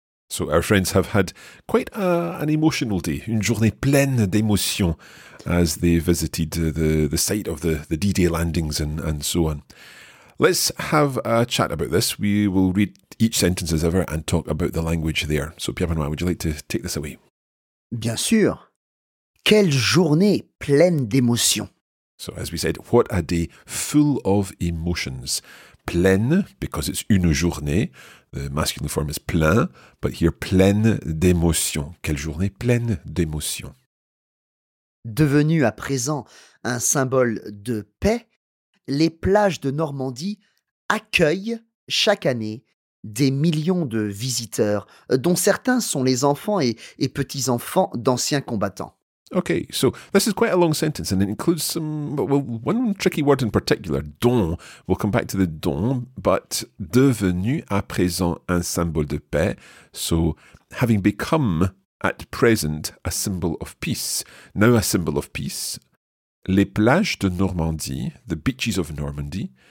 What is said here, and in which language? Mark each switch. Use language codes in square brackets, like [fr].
[en] So our friends have had quite an emotional day, [fr] une journée pleine d'émotions [en] as they visited the site of the D-Day landings and so on. Let's have a chat about this. We will read each sentence as ever and talk about the language there. So Pierre-Benoît, would you like to take this away? [fr] Bien sûr. Quelle journée pleine d'émotions. [en] So as we said, what a day full of emotions. Pleine, because it's une journée. The masculine form is plein, but here [fr] pleine d'émotions. Quelle journée pleine d'émotions. Devenu à présent un symbole de paix, les plages de Normandie accueillent chaque année des millions de visiteurs, dont certains sont les enfants et petits-enfants d'anciens combattants. [en] Okay, so this is quite a long sentence, and it includes some, well, one tricky word in particular, don. We'll come back to the don, but [fr] devenu à présent un symbole de paix, [en] so having become at present a symbol of peace, now a symbol of peace, [fr] les plages de Normandie, [en] the beaches of Normandy,